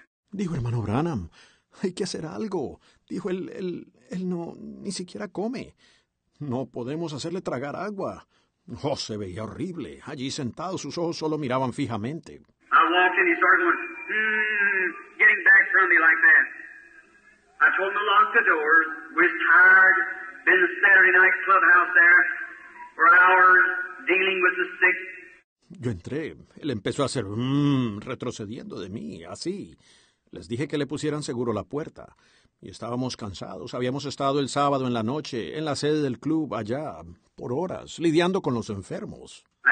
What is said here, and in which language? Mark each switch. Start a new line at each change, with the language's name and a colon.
Spanish: Dijo hermano Branham, hay que hacer algo. Dijo, él no, ni siquiera come. No podemos hacerle tragar agua. Oh, se veía horrible. Allí sentado, sus ojos solo miraban fijamente.
English: I walked in, he started going, getting back from me like that. I told him to lock the door. We're tired. Been to Saturday night clubhouse there for hours dealing with the sick.
Spanish: Yo entré. Él empezó a hacer retrocediendo de mí, así. Les dije que le pusieran seguro la puerta. Y estábamos cansados. Habíamos estado el sábado en la noche en la sede del club allá, por horas, lidiando con los enfermos.